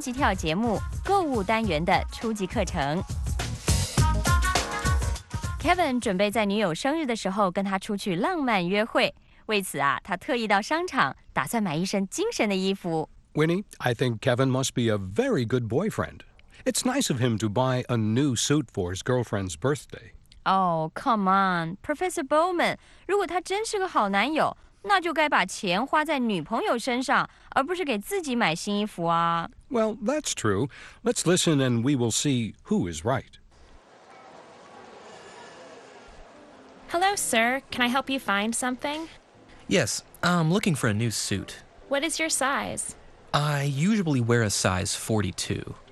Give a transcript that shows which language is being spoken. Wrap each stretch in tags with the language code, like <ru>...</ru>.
<zh>这是美国之音的中文广播。这小时为您播出英语教学节目，欢迎收听美语三级跳。各位听众大家好，今天我们为您播出美语三级跳节目购物单元的初级课程。 Kevin准备在女友生日的时候跟她出去浪漫约会，为此啊，他特意到商场打算买一身精神的衣服。Winnie,</zh> <en>I think Kevin must be a very good boyfriend. It's nice of him to buy a new suit for his girlfriend's birthday. Oh, come on, Professor Bowman.</en> <zh>如果他真是个好男友，那就该把钱花在女朋友身上，而不是给自己买新衣服啊。Well,</zh> <en>that's true. Let's listen and we will see who is right. Hello, sir. Can I help you find something? Yes, I'm looking for a new suit. What is your size? I usually wear a size 42.</en>